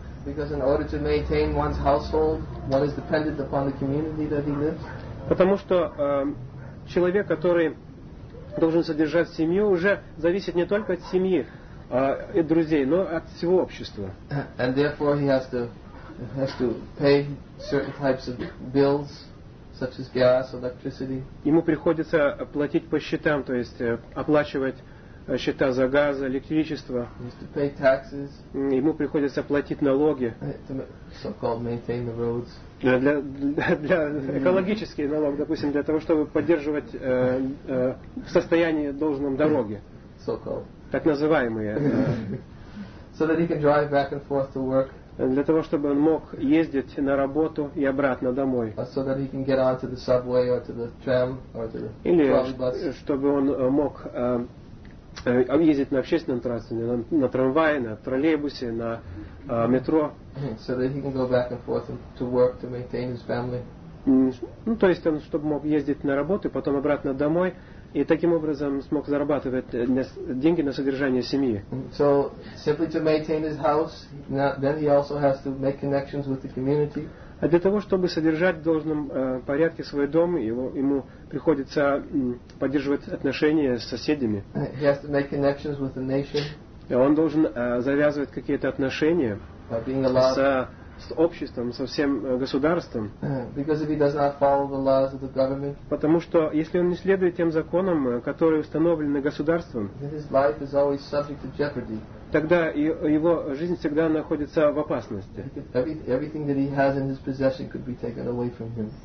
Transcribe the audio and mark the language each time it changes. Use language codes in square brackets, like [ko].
[en] Because in order to maintain one's household, one is dependent upon the community that he lives. [ru] Потому что человек, который должен содержать семью, уже зависит не только от семьи и друзей, но от всего общества. [en] And therefore he has to pay certain types of bills, such as gas, electricity. [ru] Ему приходится платить по счетам, то есть оплачивать счета за газ, электричество. [en] He has to pay taxes. [ru] Ему приходится платить налоги. [en] So-called maintain the roads. [ru] Для экологический налог, допустим, для того, чтобы поддерживать в состоянии должном дороги. [en] So-called. [ru] Так называемые. [en] So that he can drive back and forth to work. [ru] Для того, чтобы он мог ездить на работу и обратно домой. [en] So that he can get onto the subway or to the tram or to the trolley bus. [ru] Или чтобы он мог ездить на общественном транспорте, на трамвае, на троллейбусе, на метро. [en] So that he can go back and forth to work to maintain his family. [ru] Ну, то есть он, чтобы мог ездить на работу и потом обратно домой, и таким образом смог зарабатывать деньги на содержание семьи. [en] So simply to maintain his house, then he also has to make connections with the community. [ru] А для того, чтобы содержать в должном порядке свой дом, ему приходится поддерживать отношения с соседями. [en] He has to make connections with the nation. [ru] Он должен завязывать какие-то отношения с обществом, со всем государством. [en] Because if he does not follow the laws of the government, [ru] потому что если он не следует тем законам, которые установлены государством, [en] then his life is always subject to jeopardy. [ru] Тогда его жизнь всегда находится в опасности. [en] Everything that he has in his possession could be taken away from him.